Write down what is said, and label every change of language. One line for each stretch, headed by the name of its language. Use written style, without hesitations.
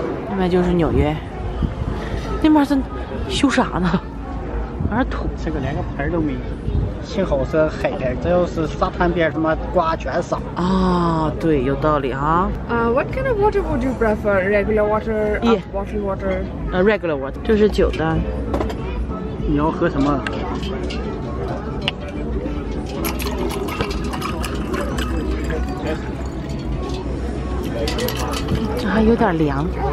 Chinese: 那边就是纽约，那边是修啥呢？哪儿土？这个连个牌都没有，幸好是海边，这要是沙滩边，什么刮全沙。啊，对，有道理啊。
English: What kind of water would you prefer? Regular water, bottled water? Regular water，
Chinese: 就是酒的。你要喝什么？这还有点凉。